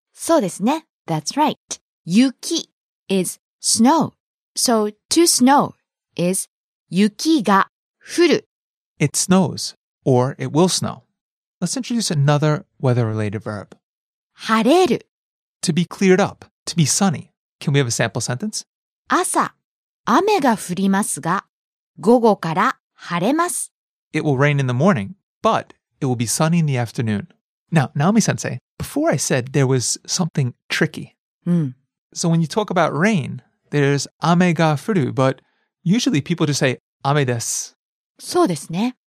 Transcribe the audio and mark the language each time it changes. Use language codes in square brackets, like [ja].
[ja] そうですね。 [en] That's right. Yuki is snow. So to snow is [ja] 雪が降る。 [en] It snows, or it will snow. Let's introduce another weather-related verb. [ja] 晴れる。 [en] To be cleared up, to be sunny. Can we have a sample sentence? [ja] 朝、雨が降りますが、午後から晴れます。 [en] It will rain in the morning, but it will be sunny in the afternoon. Now, Naomi-sensei, before I said there was something tricky. So when you talk about rain, there's [ja] 雨が降る, [en] but... Usually people just say, [ja] 雨です。そうですね。